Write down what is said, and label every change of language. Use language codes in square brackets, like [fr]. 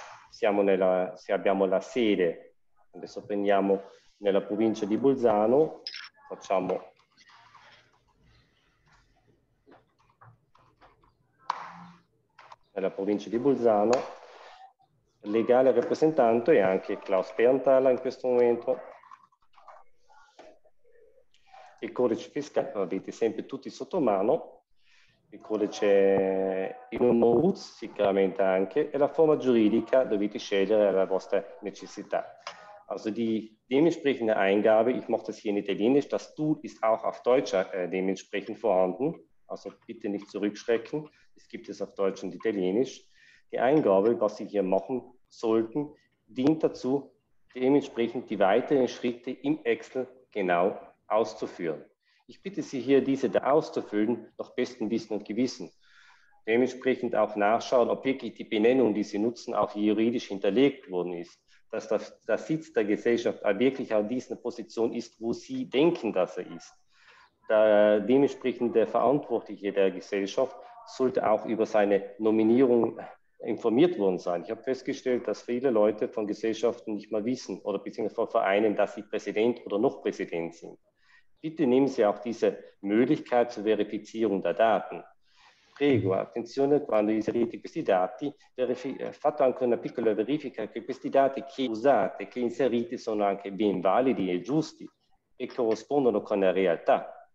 [it] Se abbiamo la sede, adesso prendiamo nella provincia di Bolzano, facciamo nella provincia di Bolzano, legale rappresentante e anche Klaus Berntaler in questo momento. Il codice fiscale, avete sempre tutti sotto mano. Il codice in un MOUZ sicuramente anche, e la forma giuridica dovete scegliere alla vostra necessità. [de] Also die dementsprechende Eingabe, ich mache das hier in Italienisch, das Tool ist auch auf Deutsch dementsprechend vorhanden, also bitte nicht zurückschrecken, es gibt es auf Deutsch und Italienisch. Die Eingabe, was Sie hier machen sollten, dient dazu, dementsprechend die weiteren Schritte im Excel genau auszuführen. Ich bitte Sie hier, diese da auszufüllen, nach bestem Wissen und Gewissen. Dementsprechend auch nachschauen, ob wirklich die Benennung, die Sie nutzen, auch juridisch hinterlegt worden ist. Dass der Sitz der Gesellschaft wirklich an dieser Position ist, wo Sie denken, dass er ist. Dementsprechend der Verantwortliche der Gesellschaft sollte auch über seine Nominierung informiert worden sein. Ich habe festgestellt, dass viele Leute von Gesellschaften nicht mal wissen oder beziehungsweise von Vereinen, dass sie Präsident oder noch Präsident sind. Bitte nehmen Sie auch diese Möglichkeit zur Verifizierung der Daten. [it] Prego, attenzione, quando inserite questi dati, fatto anche una piccola verifica che questi dati che usate, che inserite, sono anche ben validi e giusti e corrispondono con la realtà.